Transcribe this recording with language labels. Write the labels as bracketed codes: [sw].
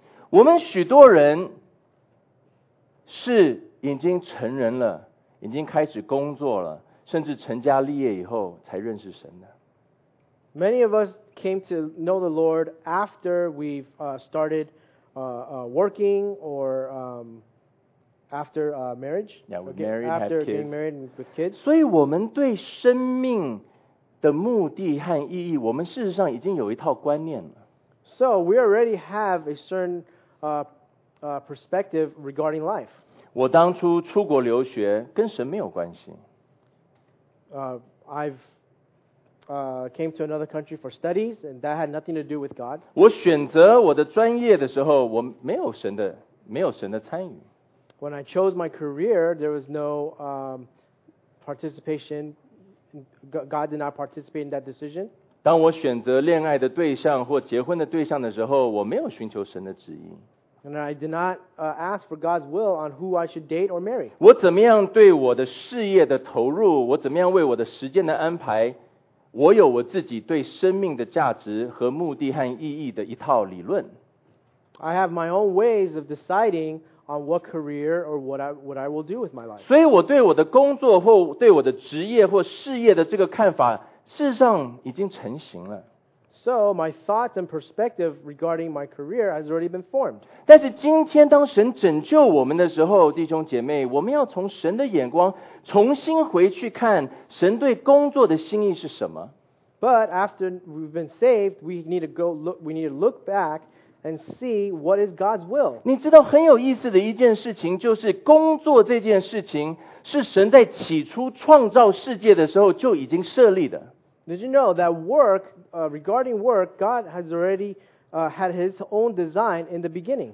[zh] 我们许多人是已经成人了，已经开始工作了，甚至成家立业以后才认识神的。 [en] Many of us came to know the Lord after we've started working or after marriage, yeah, we're married, okay, after being married with kids. [zh] 所以我们对生命的目的和意义，我们事实上已经有一套观念了。 [en] So we already have a certain perspective regarding life. [zh] 我当初出国留学跟神没有关系。 [en] Came to another country for studies, and that had nothing to do with God. [zh] 我选择我的专业的时候，我没有神的参与。 [en] When I chose my career, there was no participation. God did not participate in that decision. [zh] 当我选择恋爱的对象或结婚的对象的时候，我没有寻求神的旨意。 [en] And I did not ask for God's will on who I should date or marry. [zh] 我怎么样对我的事业的投入，我怎么样为我的时间的安排，我有我自己对生命的价值和目的和意义的一套理论。 [en] I have my own ways of deciding on what career or what I will do with my life. [zh] 所以我对我的工作或对我的职业或事业的这个看法，事实上已经成型了。 [en] So my thoughts and perspective regarding my career has already been formed. [zh] 但是今天当神拯救我们的时候，弟兄姐妹，我们要从神的眼光重新回去看神对工作的心意是什么。 [en] But after we've been saved, we need to look back and see what is God's will. [zh] 你知道很有意思的一件事情，就是工作这件事情是神在起初创造世界的时候就已经设立的。 [en] Did you know that work, regarding work, God has already had His own design in the beginning?